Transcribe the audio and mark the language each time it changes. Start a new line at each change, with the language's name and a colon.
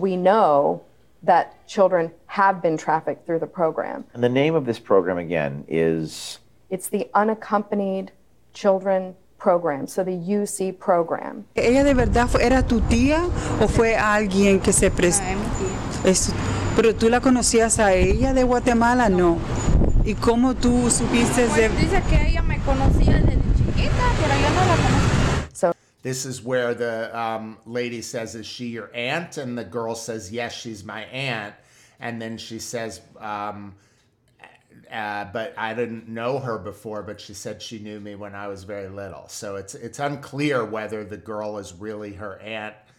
English: We know that children have been trafficked through the program. And the name of this program, again, is... It's the Unaccompanied Children Program, so the UC program.
Spanish: ¿Ella de verdad fue, era tu tía o fue alguien que se prestó? No, es mi tía. ¿Pero tú la conocías a ella de Guatemala? No. ¿Y cómo tú supiste pues de...? Pues dice que ella me conocía desde chiquita, pero yo no la conocía.
English: So, this is where the lady says, is she your aunt? And the girl says, yes, she's my aunt. And then she says... but I didn't know her before, but she said she knew me when I was very little. So it's unclear whether the girl is really her aunt.